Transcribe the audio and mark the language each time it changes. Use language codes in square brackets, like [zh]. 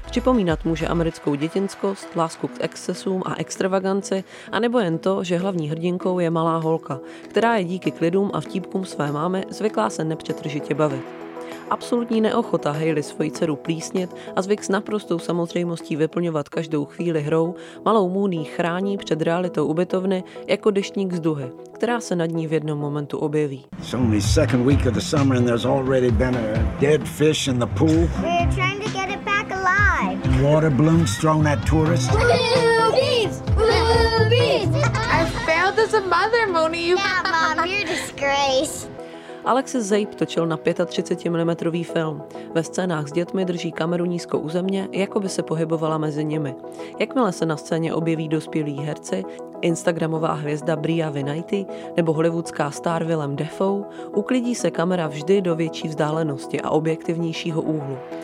[cs] Připomínat může americkou dětinskost, lásku k excesům a extravaganci, anebo jen to, že hlavní hrdinkou je malá holka, která je díky klidům a vtípkům své mámy zvyklá se nepřetržitě bavit. Absolutní neochota Hayley svoji dceru plísnit a zvyk s naprostou samozřejmostí vyplňovat každou chvíli hrou, malou Mooney chrání před realitou ubytovny jako deštník z duhy, která se nad ní v jednom momentu objeví. [en] It's only second week of the summer and there's already been a dead fish in the pool. We're trying to get it back alive. Water balloons thrown at tourists. Boobies! I failed as a mother, Mooney. Yeah, Mom, you're a disgrace. [cs] Alexis Zabe točil na 35mm film. Ve scénách s dětmi drží kameru nízko u země, jako by se pohybovala mezi nimi. Jakmile se na scéně objeví dospělí herci, instagramová hvězda Bria Vinajty nebo hollywoodská star Willem Dafoe, uklidí se kamera vždy do větší vzdálenosti a objektivnějšího úhlu.